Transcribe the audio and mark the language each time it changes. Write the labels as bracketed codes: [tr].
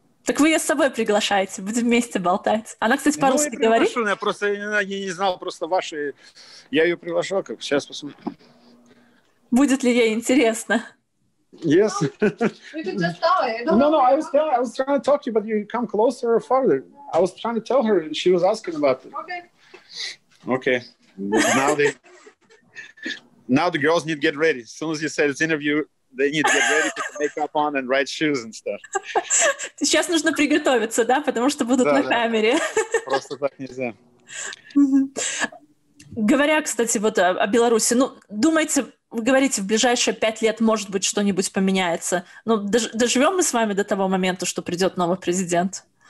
[ru] Так вы ее с собой приглашаете, будем вместе болтать. Она, кстати, по-русски ну, я говорит. Приглашу, я просто не знал просто ваши. Я ее приглашал, как сейчас посмотрим. Будет ли ей интересно? [en] Yes. We could just tell it. I was trying to talk to you, but you come closer or farther. I was trying to tell her, and she was asking about it. Okay. Now the girls need to get ready. As soon as you said it's interview, they need to get ready to put makeup on and write shoes and stuff. [ru] Сейчас нужно приготовиться, да, потому что будут на камере. Просто так нельзя. Говоря, кстати, вот о Беларуси, ну, думаете, вы говорите, в ближайшие 5 лет, может быть, что-нибудь поменяется. Но доживем мы с вами до того момента, что придет новый президент?